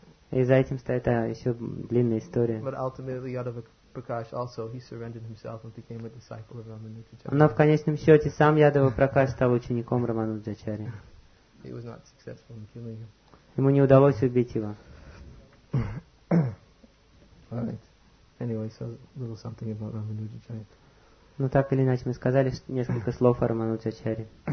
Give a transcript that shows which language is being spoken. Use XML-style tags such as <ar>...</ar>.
<ru>И за этим стоит еще длинная история.</ru> <en>Prakash also he surrendered himself and became a disciple of Рамануджачарья.</en> <ru>Но в конечном счете сам Ядава Пракаш стал учеником Рамануджачарьи.</ru> <en>He was not successful in killing him.</en> <ru>Ему не удалось убить его.</ru> <en>All right. Anyway, so a little something about Рамануджачарья.</en> <ru>Ну так или иначе мы сказали несколько слов о Рамануджачарье.</ru>